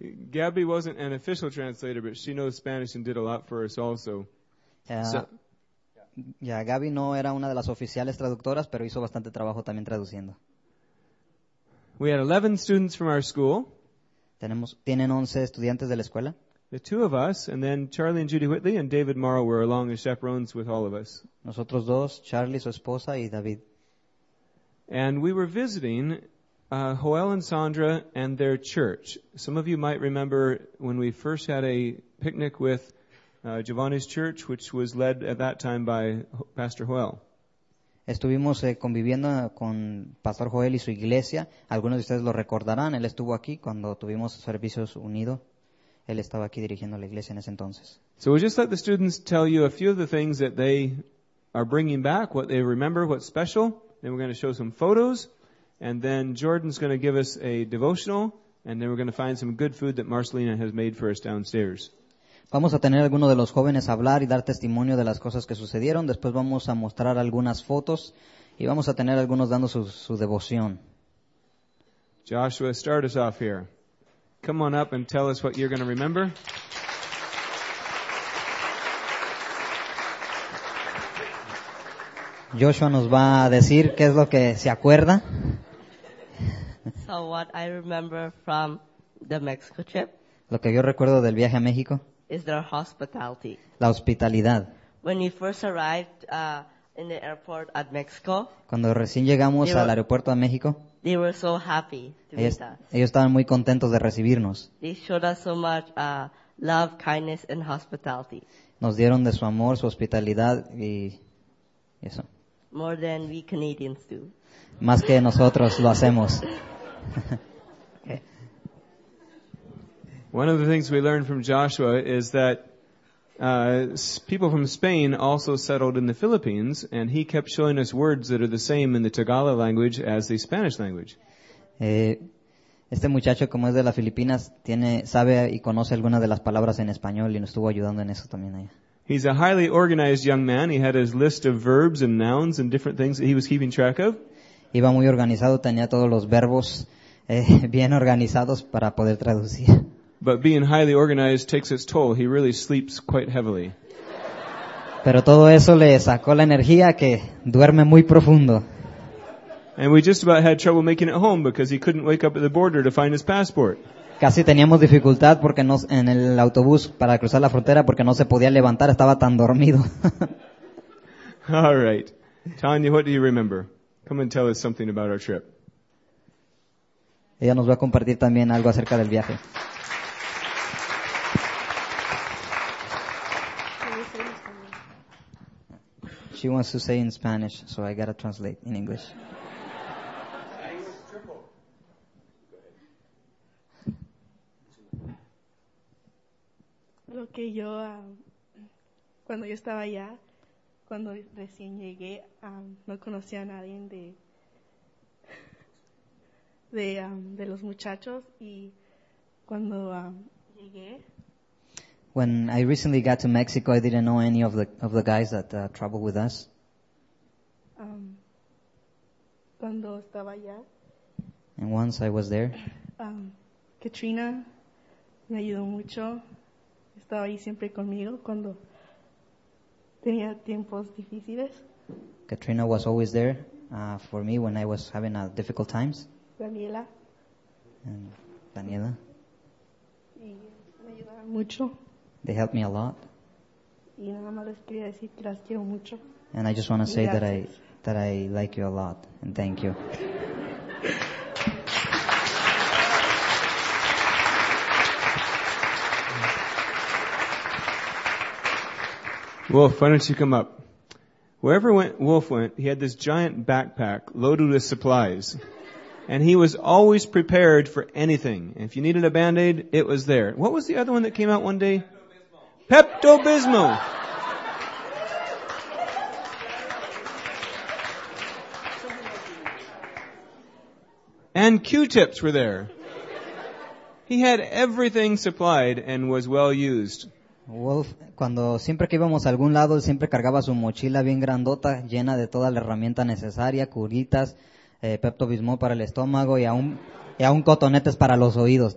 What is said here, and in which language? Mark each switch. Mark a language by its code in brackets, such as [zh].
[en] Gabby wasn't an official translator, but she knows Spanish and did a lot for us also. [es] Yeah, Gabby no era una de las oficiales traductoras, pero hizo bastante trabajo también traduciendo. [en] We had 11 students from our school. [es] Tienen 11 estudiantes de la escuela. [en] The two of us, and then Charlie and Judy Whitley and David Morrow were along as chaperones with all of us. [es] Nosotros dos, Charlie, su esposa, y David. [en] And we were visiting Joel and Sandra and their church. Some of you might remember when we first had a picnic with Giovanni's church, which was led at that time by Pastor Joel. [es] Estuvimos conviviendo con Pastor Joel y su iglesia. Algunos de ustedes lo recordarán. Él estuvo aquí cuando tuvimos servicios unidos. Él estaba aquí dirigiendo la iglesia en ese entonces. [en] So we'll just let the students tell you a few of the things that they are bringing back, what they remember, what's special. Then we're going to show some photos. And then Jordan's going to give us a devotional. And then we're going to find some good food that Marcelina has made for us downstairs. [es] Vamos a tener a alguno de los jóvenes hablar y dar testimonio de las cosas que sucedieron. Después vamos a mostrar algunas fotos y vamos a tener a algunos dando su devoción. [en] Joshua, start us off here. Come on up and tell us what you're going to remember. [es] Joshua nos va a decir qué es lo que se acuerda. [en] So what I remember from the Mexico trip. [es] Lo que yo recuerdo del viaje a México. [en] Is their hospitality. [es] La hospitalidad. [en] When we first arrived in the airport at Mexico. [es] Cuando recién llegamos al aeropuerto de México. [en] They were so happy to meet us. [es] Ellos estaban muy contentos de recibirnos. [en] They showed us so much love, kindness, and hospitality. [es] Nos dieron de su amor, su hospitalidad y eso. [en] More than we Canadians do. [es] Más que nosotros lo hacemos. [en] One of the things we learned from Joshua is that people from Spain also settled in the Philippines, and he kept showing us words that are the same in the Tagalog language as the Spanish language. [es] Este muchacho, como es de las Filipinas, sabe y conoce algunas de las palabras en español y nos estuvo ayudando en eso también allá. [en] He's a highly organized young man. He had his list of verbs and nouns and different things that he was keeping track of. [es] Iba muy organizado, tenía todos los verbos bien organizados para poder traducir. [en] But being highly organized takes its toll. He really sleeps quite heavily. [es] Pero todo eso le sacó la energía que duerme muy profundo. [en] And we just about had trouble making it home because he couldn't wake up at the border to find his passport. [es] Casi teníamos dificultad porque no en el autobús para cruzar la frontera porque no se podía levantar, estaba tan dormido. [en] All right. Tanya, what do you remember? Come and tell us something about our trip. [es] Ella nos va a compartir también algo acerca del viaje. [en] She wants to say in Spanish, so I gotta translate in English. [es] Lo que yo cuando yo estaba allá, cuando recién llegué, no conocía a nadie de los muchachos y cuando llegué. [en] When I recently got to Mexico, I didn't know any of the guys that traveled with us. [es] cuando estaba allá. [en] And once I was there. [es] Katrina me ayudó mucho. Estaba ahí siempre conmigo cuando tenía tiempos difíciles. [en] Katrina was always there for me when I was having difficult times. [es] Daniela. [en] And Daniela. [es] Y me ayudaron mucho. [en] They helped me a lot. [es] Y nada más les quería decir que las quiero mucho. [en] And I just want to say that I like you a lot and thank you. Wolf, why don't you come up? Wherever Wolf went, he had this giant backpack loaded with supplies. And he was always prepared for anything. If you needed a Band-Aid, it was there. What was the other one that came out one day? Pepto-Bismol. And Q-tips were there. He had everything supplied and was well used. [es] Wolf, cuando siempre que íbamos a algún lado, él siempre cargaba su mochila bien grandota, llena de toda la herramienta necesaria, curitas, Pepto-Bismol para el estómago y aún cotonetes para los oídos.